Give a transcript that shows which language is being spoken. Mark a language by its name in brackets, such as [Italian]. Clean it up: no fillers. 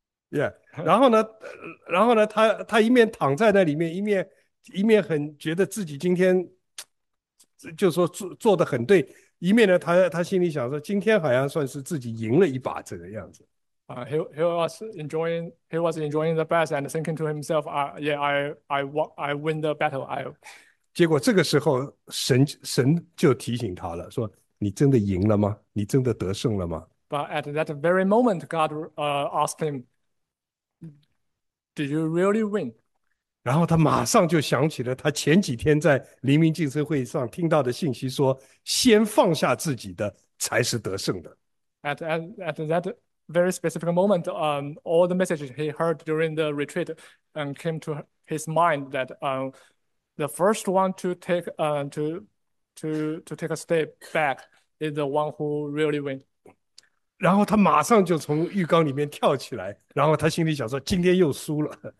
[Chinese] Yeah，然后呢，他一面躺在那里面，一面很觉得自己今天，就说做得很对，一面呢，他心里想说，今天好像算是自己赢了一把这个样子。 [English] He was enjoying the bath and thinking to himself, I win the battle. [Chinese] 结果这个时候，神就提醒他了，说你真的赢了吗？你真的得胜了吗？ [English] But at that very moment, God asked him, "Did you really win?" [Chinese] 然后他马上就想起了他前几天在黎明进食会上听到的信息，说先放下自己的才是得胜的。 [English] At that very specific moment, all the messages he heard during the retreat and came to his mind that the first one to take to take a step back is the one who really win. [Chinese] 然后他马上就从浴缸里面跳起来，然后他心里想说：“今天又输了。